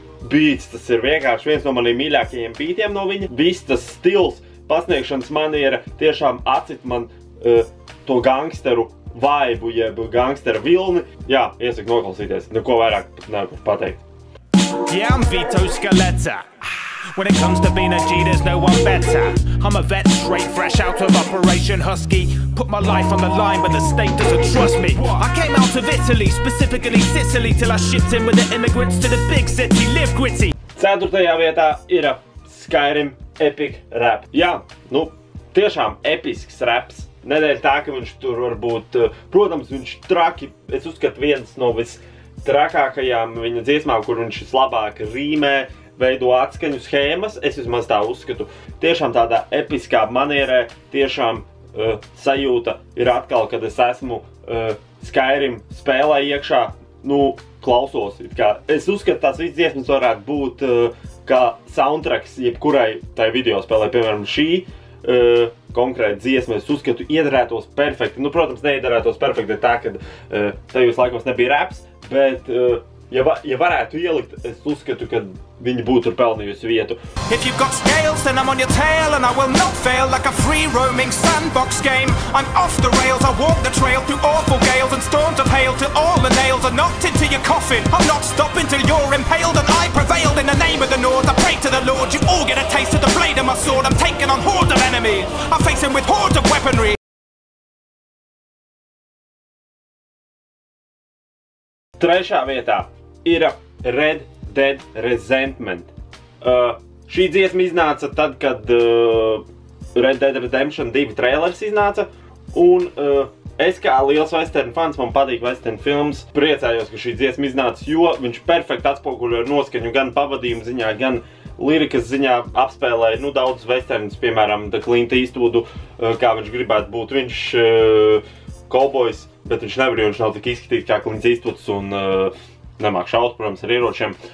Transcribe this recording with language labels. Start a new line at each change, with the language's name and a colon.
Latvian: Beats, tas ir vienkārši viens no maniem mīļākajiem beatiem no viņa. Viss tas stils pasniegšanas man ir tiešām acit man to gangsteru vaibu, jeb gangstera vilni. Jā, iesaku noklausīties, neko vairāk nevaru pateikt.
English: Yeah, I'm Vito Skeletta. When it comes to being a G, there's no one better. I'm a vet straight, fresh out of Operation Husky. Put my life on the line, but the state doesn't trust me. I came out of Italy, specifically Sicily, till I shipped in with the immigrants to the big city, live gritty.
Latvian: Ceturtajā vietā ir Skyrim Epic Rap. Jā, tiešām episks raps. Nedēļ tā, ka viņš tur varbūt, protams, viņš traki, es uzskatu viens no vistrakākajām viņa dziesmām, kur viņš vislabāk rīmē, veido atskaņu schēmas, es vismaz tā uzskatu. Tiešām tādā episkā manierē, tiešām sajūta ir atkal, kad es esmu Skyrim spēlē iekšā, klausos. Es uzskatu, tās visas dziesmas varētu būt kā soundtracks jebkurai tai video spēlē, piemēram šī. Konkrēti dziesma, es uzskatu, iederētos perfekti. Protams, neiederētos perfekti tā, ka tajos laikos nebija raps, bet ja varētu ielikt, es uzskatu, ka viņi būtu pelnījusi vietu.
English: If you've got scales, then I'm on your tail and I will not fail like a free roaming sandbox game. I'm off the rails, I walk the trail through awful gales and storms of hail till all the nails are knocked into your coffin. I'm not stopping till you're impaled and I prevailed in the name of the North. I pray to the Lord, you all get a taste of the blade of my sword. I'm taking on hordes of enemies, I face him with hordes of weaponry.
Latvian: Trešā vietā ir Red Dead Resentment. Šī dziesma iznāca tad, kad Red Dead Redemption 2 trailers iznāca. Un Es kā liels
English: western fans,
Latvian: man patīk
English: western films,
Latvian: priecājos, ka šī dziesma iznāca, jo viņš perfekti atspoguļo noskaņu gan pavadījuma ziņā, gan lirikas ziņā, apspēlē nu, daudz westernus, piemēram, The Clint Eastwood, kā viņš gribētu būt, viņš kovbojs, bet viņš nevar, jo viņš nav tik izskatīts kā Clint Eastwood un nemāk šaut, protams, ar ieročiem.